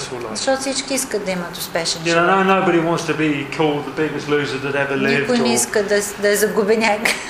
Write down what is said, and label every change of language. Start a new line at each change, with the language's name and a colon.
Bulgarian: Защото всички искат да имат успешен живот.
English: Nobody wants to be called the biggest loser that ever lived.
Bulgarian: Никой не иска да е загубеняк.